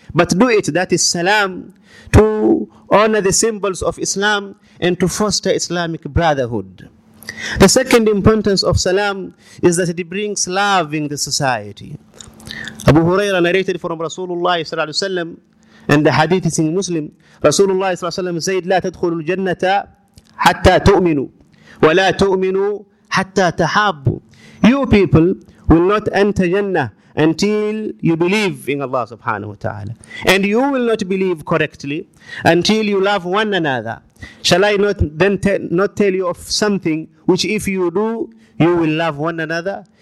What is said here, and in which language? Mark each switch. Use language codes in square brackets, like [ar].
[en] But do it, that is salam, to honor the symbols of Islam and to foster Islamic brotherhood. The second importance of salam is that it brings love in the society. Abu Hurairah narrated from Rasulullah sallallahu alayhi wa sallam, and the hadith is in Muslim. [ar] Rasulullah sallallahu alayhi wa sallam said, لَا تَدْخُلُ الْجَنَّةَ حَتَّى تُؤْمِنُوا وَلَا تُؤْمِنُوا حَتَّى تَحَابُوا. [en] You people will not enter Jannah until you believe in Allah subhanahu wa ta'ala. And you will not believe correctly until you love one another. Shall I not then not tell you of something which if you do, you will love one another?